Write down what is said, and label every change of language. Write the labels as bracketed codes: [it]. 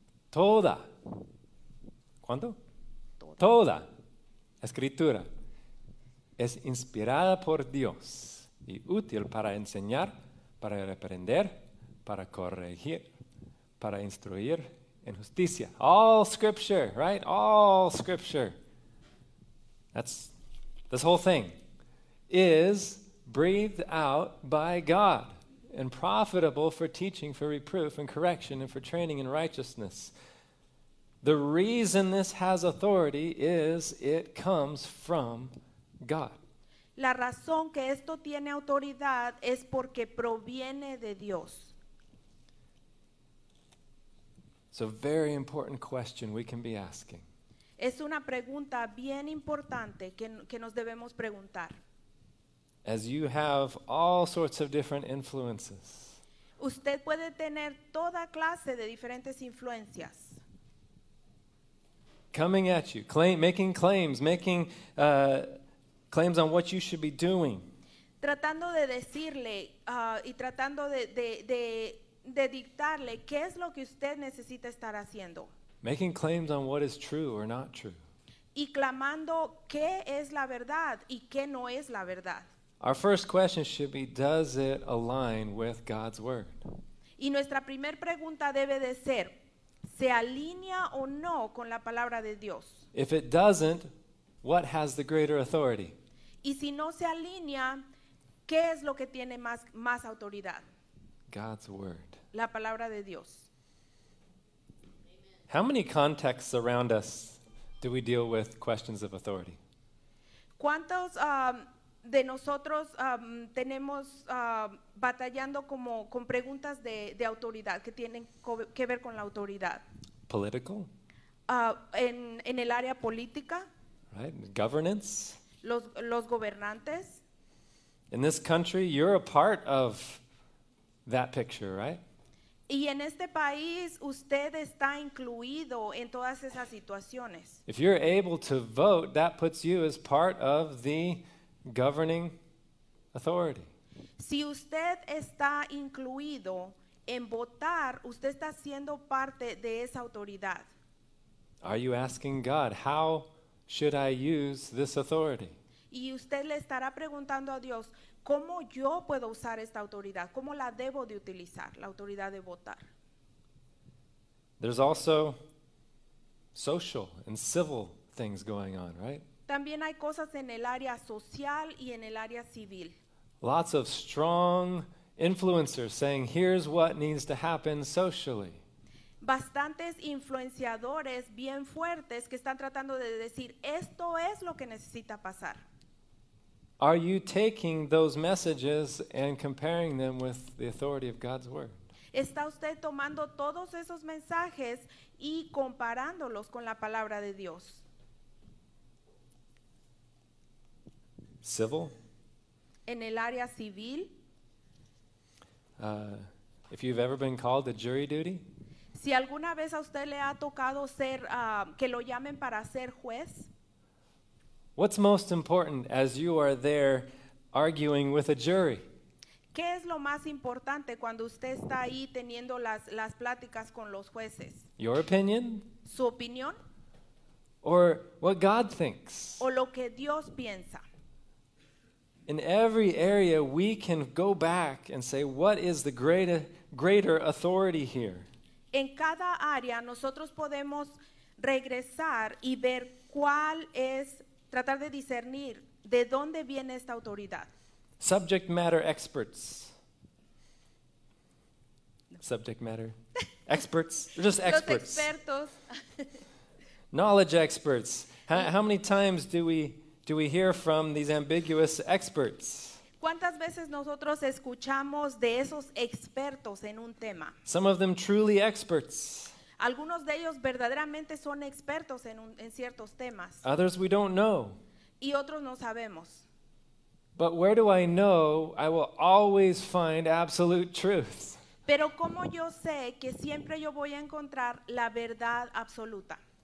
[es] Toda. ¿Cuánto? Toda. Escritura es inspirada por Dios y útil para enseñar, para reprender, para corregir, para instruir en justicia. [en] All scripture, right? All scripture. That's this whole thing is breathed out by God and profitable for teaching, for reproof and correction and for training in righteousness. The reason this has authority is it comes from God. [es] La razón que esto tiene autoridad es porque proviene de Dios. [en] It's a very important question we can be asking. [es] Es una pregunta bien importante que nos debemos preguntar. [en] As you have all sorts of different influences. [es] Usted puede tener toda clase de diferentes influencias. [en] Coming at you, making claims on what you should be doing. [es] Tratando de decirle y tratando de dictarle qué es lo que usted necesita estar haciendo. [en] Making claims on what is true or not true. [es] Y clamando qué es la verdad y qué no es la verdad. [en] Our first question should be, does it align with God's word? [es] Y nuestra primer pregunta debe de ser, ¿se alinea o no con la palabra de Dios? [en] If it doesn't, what has the greater authority? [es] Y si no se alinea, ¿qué es lo que tiene más autoridad? [en] God's word. [es] La palabra de Dios. [en] Amen. How many contexts around us do we deal with questions of authority? [es] ¿Cuántos de nosotros tenemos batallando como con preguntas de autoridad que tienen que ver con la autoridad? [en] Political. [es] En el área política. [en] Right. Governance. [es] Los gobernantes. [en] In this country, you're a part of that picture, right? [es] Y en este país, usted está incluido en todas esas situaciones. [en] If you're able to vote, that puts you as part of the governing authority. [es] Si usted está incluido en votar, usted está siendo parte de esa autoridad. [en] Are you asking God, how should I use this authority? [es] Y usted le estará preguntando a Dios, ¿cómo yo puedo usar esta autoridad? ¿Cómo la debo de utilizar, la autoridad de votar? [en] There's also social and civil things going on, right? [es] También hay cosas en el área social y en el área civil. [en] Lots of strong influencers saying, here's what needs to happen socially. [es] Bastantes influenciadores bien fuertes que están tratando de decir, esto es lo que necesita pasar. [en] Are you taking those messages and comparing them with the authority of God's word? [es] ¿Está usted tomando todos esos mensajes y comparándolos con la palabra de Dios? [en] Civil? [es] En el área civil? [en] If you've ever been called to jury duty? [es] Si alguna vez a usted le ha tocado ser que lo llamen para ser juez? [en] What's most important as you are there arguing with a jury? [es] ¿Qué es lo más importante cuando usted está ahí teniendo las pláticas con los jueces? [en] Your opinion? [es] ¿Su opinión? [en] Or what God thinks? [es] ¿O lo que Dios piensa? [en] In every area we can go back and say, what is the greater authority here? [es] En cada área nosotros podemos regresar y ver cuál es, tratar de discernir de dónde viene esta autoridad. [en] Subject matter experts. No. Subject matter experts. They're just experts. [es] Los expertos. [en] Knowledge experts. How many times do we hear from these ambiguous experts? [es] ¿Cuántas veces nosotros escuchamos de esos expertos en un tema? [en] Some of them truly experts. [es] Algunos de ellos verdaderamente son expertos en ciertos temas. [en] Others we don't know. [es] Y otros no sabemos. [en] But where do I know I will always find absolute truth? [es] Pero ¿cómo yo sé que siempre yo voy a encontrar la verdad absoluta?